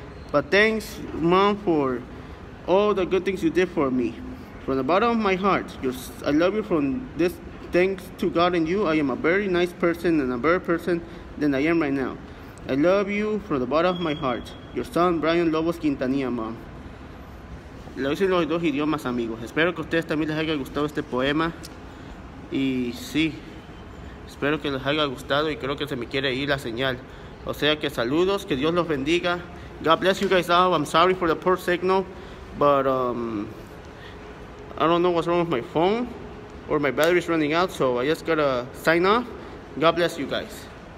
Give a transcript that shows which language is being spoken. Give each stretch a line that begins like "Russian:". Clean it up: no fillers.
English: But thanks, Mom, for all the good things you did for me. From the bottom of my heart, I love you from this. Thanks to God and you, I am a very nice person and a better person than I am right now. I love you from the bottom of my heart. Your son,
Spanish: Brian Lobos Quintanilla, Mom. Lo hice en los dos idiomas, amigos. Espero que a ustedes también les haya gustado este poema. Y sí, espero que les haya gustado y creo que se me quiere ir la señal. O sea que saludos, que Dios los bendiga.
English: God bless you guys all. I'm sorry for the poor signal, but I don't know what's wrong with my phone or my battery's running out, so I just gotta sign off. God bless you guys.